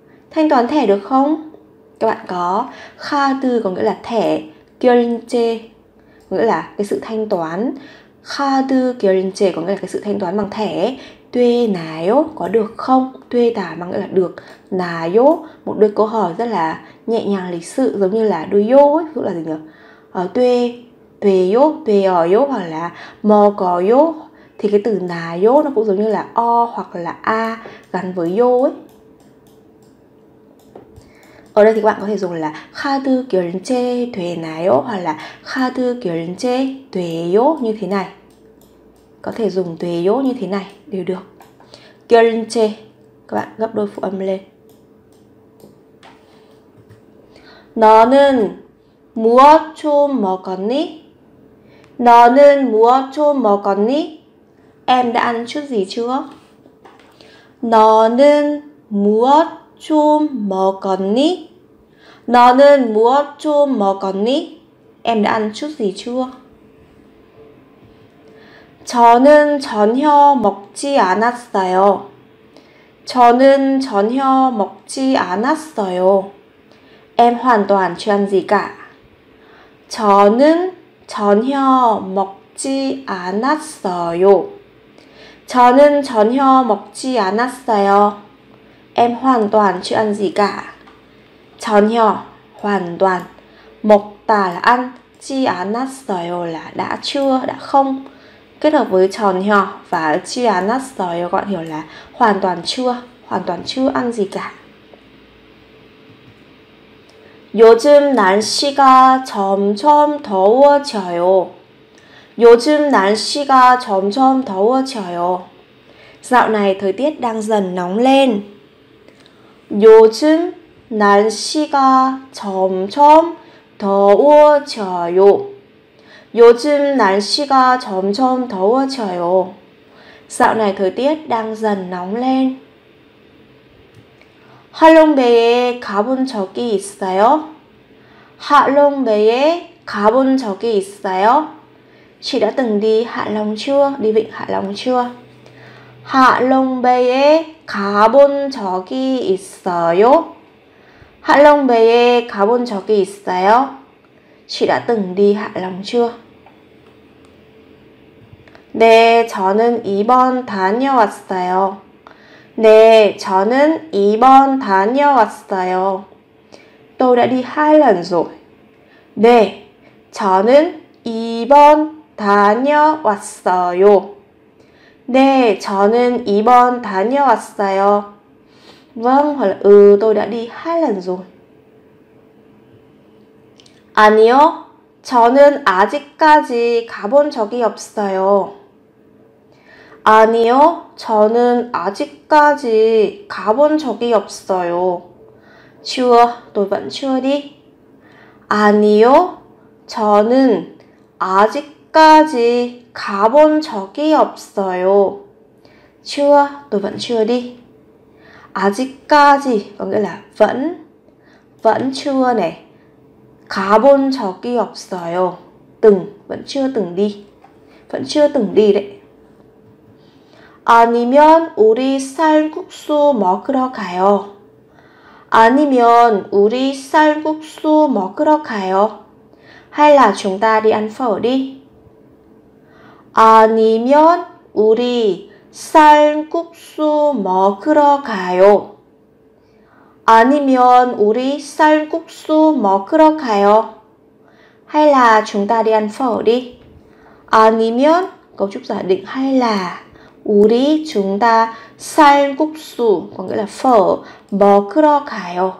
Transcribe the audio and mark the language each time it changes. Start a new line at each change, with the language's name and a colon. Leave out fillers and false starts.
Vietnamese: Thanh toán thẻ được không? Các bạn có 카드 có nghĩa là thẻ, 결제 nghĩa là cái sự thanh toán. 카드 결제 có nghĩa là cái sự thanh toán bằng thẻ. 되나요? Có được không? 되다 mà nghĩa là được.
Korean: 나요?
Vietnamese: Một đôi câu hỏi rất là nhẹ nhàng lịch sự, giống như là 되요 ấy, tức là gì nhỉ? 되요, 되어요 hoặc là 먹어요. Thì cái từ 나요 nó cũng giống như là o hoặc là a gắn với 요 ấy. Ở đây thì các bạn có thể dùng là
Korean: 카드 결제 되나요?
Vietnamese: Hoặc là
Korean: 카드 결제 되요
Vietnamese: như thế này. Có thể dùng 되요 như thế này đều được. 결제 các bạn gấp đôi phụ âm lên.
Korean: 너는 무엇 좀 먹었니? 너는 무엇 좀 먹었니?
Vietnamese: Em đã ăn chút gì chưa?
Korean: 너는 무엇 좀 먹었니? 너는 무엇 좀 먹었니?
Vietnamese: Em đã ăn chút gì chưa?
Korean: 저는 전혀 먹지 않았어요. 저는 전혀 먹지 않았어요.
Vietnamese: Em hoàn toàn chưa ăn gì cả.
Korean: 저는 전혀 먹지 않았어요. 저는 전혀 먹지 않았어요.
Vietnamese: Em hoàn toàn chưa ăn gì cả. 전혀, hoàn toàn. 먹다 là ăn, 지 않았어요 là đã chưa, đã không. Kết hợp với 전혀 và 지 않았어요 các bạn hiểu là hoàn toàn chưa, hoàn toàn chưa ăn gì cả.
Korean: 요즘 날씨가 점점 더워져요. 요즘 날씨가 점점 더워져요.
Vietnamese: Dạo này thời tiết đang dần nóng lên.
Korean: 요즘 날씨가 점점 더워져요. 요즘 날씨가 점점 더워져요.
Vietnamese: Dạo này thời tiết đang dần nóng lên.
Korean: 하룽베이에 가본 적이 있어요? 하룽베이에 가본 적이 있어요?
Vietnamese: Chị đã từng đi Hạ Long chưa? Đi vịnh Hạ Long chưa?
Korean: 하룽베이에 가본 적이 있어요? 하룽베이에 가본 적이 있어요?
Vietnamese: Chị đã từng đi Hạ Long chưa?
Korean: 네, 저는 이번 다녀왔어요. 네, 저는 이번 다녀왔어요.
Vietnamese: Tôi đã đi hai lần rồi.
Korean: 네, 저는 이번 다녀왔어요. 네, 저는 이번 다녀왔어요.
Vietnamese: Vâng, hoặc là ừ, tôi đã đi hai lần rồi.
Korean: 아니요, 저는 아직까지 가본 적이 없어요. 아니요, 저는 아직까지 가본 적이 없어요.
Vietnamese: Chưa, tôi vẫn chưa đi.
Korean: 아니요, 저는 아직까지 가본 적이 없어요.
Vietnamese: Chưa, tôi vẫn chưa đi. 아직까지, có nghĩa là vẫn, vẫn chưa nè.
Korean: 가본 적이 없어요.
Vietnamese: Từng, vẫn chưa từng đi. Vẫn chưa từng đi đấy.
Korean: 아니면 우리 쌀국수 먹으러 가요. 아니면 우리 쌀국수 먹으러 가요.
Vietnamese: Hay là chúng ta đi ăn phở đi.
Korean: 아니면 우리 쌀국수 먹으러 가요. 아니면 우리 쌀국수 먹으러 가요.
Vietnamese: Hay là chúng ta đi ăn phở đi. 아니면 cấu trúc giả định hay là 우리 chúng ta 쌀국수 có nghĩa là phở
Korean: 먹으러 가요.